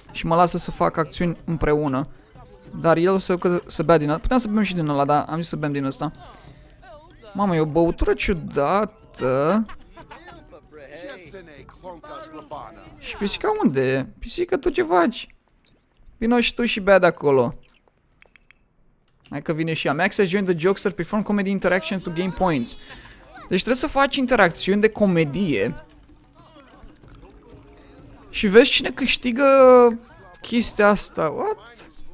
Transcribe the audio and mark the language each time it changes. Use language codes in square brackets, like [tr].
[ro] Și mă lasă să fac acțiuni împreună. Dar el să bea din ăla. Puteam să bem și din ăla, dar am zis să bem din ăsta. Mamă, e o băutură ciudată. Și pisica unde e? Pisica, tu ce faci? Vino și tu și bea de acolo. Hai că vine și ea. [en] Max has joined the jokester, perform comedy interaction to gain points. [ro] Deci trebuie să faci interacțiuni de comedie. Și vezi cine câștigă chestia asta. What?